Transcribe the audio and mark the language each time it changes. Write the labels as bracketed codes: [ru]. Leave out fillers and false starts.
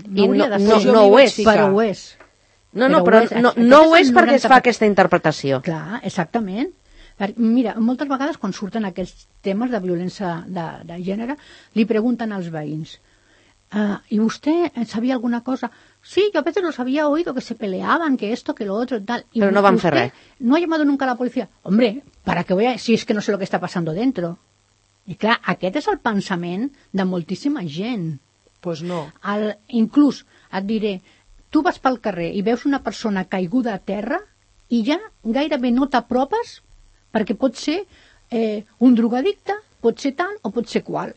[ca] No ho és. Però ho és. No, però ho és perquè es fa aquesta interpretació. Clar, exactament. Mira, moltes vegades quan surten aquests temes de violència de gènere li pregunten als veïns i vostè sabia alguna cosa? [es] Sí, yo a veces los había oído que se peleaban, que esto, que lo otro, tal. Y pero no van a cerrar. No ha llamado nunca a la policía. Hombre, ¿para qué voy a...? Si es que no sé lo que está pasando dentro. Y claro, [ca] aquest és el pensament de moltíssima gent. [es] Pues no. [ca] Inclús, et diré, tu vas pel carrer i veus una persona caiguda a terra i ja gairebé no t'apropes perquè pot ser un drogadicte, pot ser tal o pot ser qual.